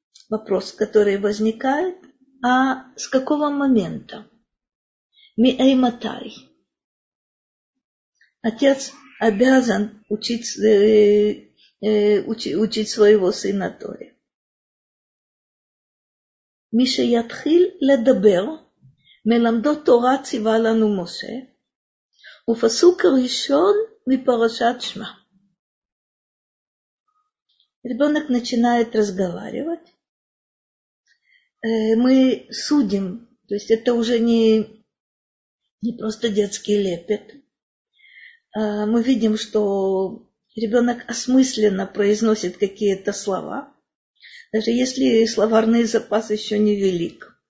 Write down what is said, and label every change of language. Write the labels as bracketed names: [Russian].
[Russian] Вопрос, который возникает, а с какого момента? [Hebrew] Миэй матай. [Russian] Отец обязан учить своего сына Торе. [Hebrew] Миша ятхил ледабер. מלמדו תורה ציווה לנו משה, ופסוק ראשון מפרשת שמע. [Russian] Ребенок начинает разговаривать. Мы судим, то есть это уже не просто детский лепет. Мы видим, что ребенок осмысленно произносит какие-то слова, даже если словарный запас еще не велик.